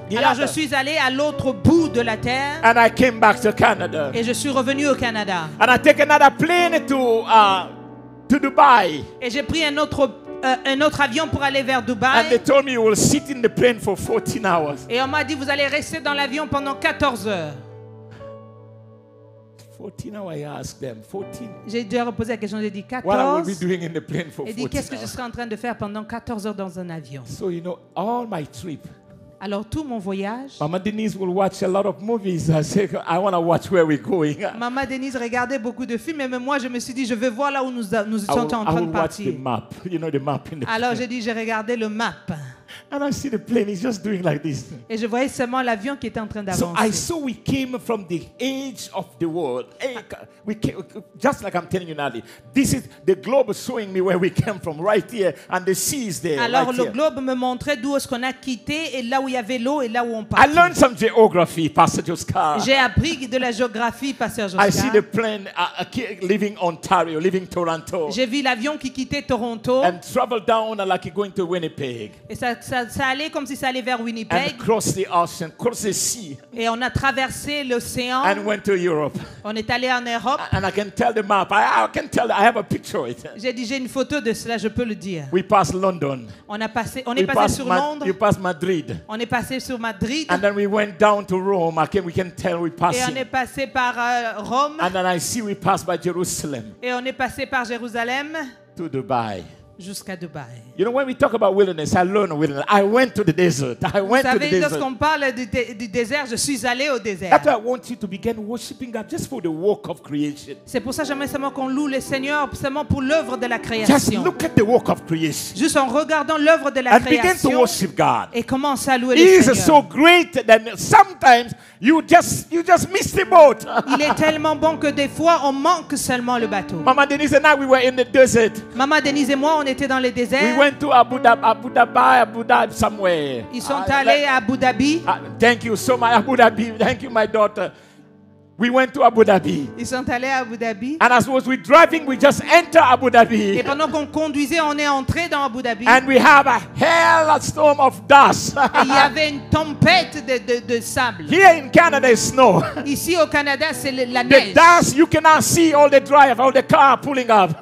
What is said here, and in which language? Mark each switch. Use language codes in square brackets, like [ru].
[en] The [fr] alors [en] other. [fr] Je suis allé à l'autre bout de la terre. [en] And I came back to Canada. [fr] Et je suis revenu au Canada. [en] And I take another plane to Dubai. [fr] Et j'ai pris un autre avion pour aller vers Dubaï. [en] And they told me you will sit in the plane for 14 hours. [fr] Et on m'a dit vous allez rester dans l'avion pendant 14 heures. [en] 14 hours I asked them. 14. [fr] J'ai dû reposer la question, j'ai dit 14. [en] What I will be doing in the plane for 14 hours. [fr] Et dit qu'est-ce que je serai en train de faire pendant 14 heures dans un avion. [en] So you know all my trip. [fr] Alors tout mon voyage. [en] Mama Denise will watch a lot of movies. I said, I want to watch where we're going. [fr] Mama Denise regardait beaucoup de films, mais moi je me suis dit je veux voir là où nous sommes en train de partir. [en] I will watch the map. You know the map in the. [fr] Alors j'ai dit j'ai regardé le map. [en] And I see the plane is just doing like this. [fr] Et je voyais seulement l'avion qui était en train d'avancer. [en] So I saw we came from the edge of the world. We came, just like I'm telling you, Nadi. This is the globe showing me where we came from, right here, and the sea is there. [fr] Alors [en] right [fr] le [en] here. [fr] Globe me montrait d'où est-ce qu'on a quitté et là où il y avait l'eau et là où on part. [en] I learned some geography, Pastor Josca. [fr] J'ai appris de la géographie, Pastor Josca. [en] I see the plane leaving Ontario, leaving Toronto. [fr] J'ai vu l'avion qui quittait Toronto. [en] And travel down like going to Winnipeg. [fr] Et ça ça allait comme si ça allait vers Winnipeg. [en] And crossed the ocean, crossed the sea. [fr] Et on a traversé l'océan. [en] And went to Europe. [fr] On est allé en Europe. [en] And I can tell the map. I can tell. I have a picture of it. [fr] J'ai dit, j'ai une photo de cela. Je peux le dire. [en] We passed London. [fr] On est passé sur Londres. [en] We passed Madrid. [fr] On est passé sur Madrid. [en] And then we went down to Rome. We can tell we passed. [fr] Et on est passé par Rome. [en] And then I see we passed by Jerusalem. [fr] Et on est passé par Jérusalem. [en] To Dubai. [fr] Jusqu'à Dubaï. [en] You know, when we talk about wilderness, I learned wilderness. I went to the desert. [fr] Lorsqu'on parle du désert, je suis allé au désert. [en] That's why I want you to begin worshiping God just for the work of creation. [fr] C'est pour ça que j'aimerais seulement qu'on loue le Seigneur seulement pour l'œuvre de la création. [en] Just look at the work of creation. [fr] Juste en regardant l'œuvre de la [en] and [fr] création. [en] And begin to worship God. [fr] Et commence à louer [en] He [fr] le Seigneur. [en] He is so great that sometimes you just miss the boat. [fr] Il est tellement bon que des fois on manque seulement le bateau. [en] Mama Denise and I, we were in the desert. [fr] Mama Denise et moi, on était dans le désert. [en] We went to Abu Dhabi somewhere. [fr] Ils sont allés à Abu Dhabi. [en] Thank you so much, Abu Dhabi. Thank you, my daughter. We went to Abu Dhabi. [fr] Ils sont allés à Abu Dhabi. [en] And as was we driving, we just enter Abu Dhabi. [fr] Et pendant qu'on conduisait, on est entré dans Abu Dhabi. [en] And we have a hell of a storm of dust. [fr] Il y avait une tempête de sable. [en] Here in Canada, it's snow. [fr] Ici au Canada, c'est la neige. [en] The dust, you cannot see all the drive, all the car pulling up.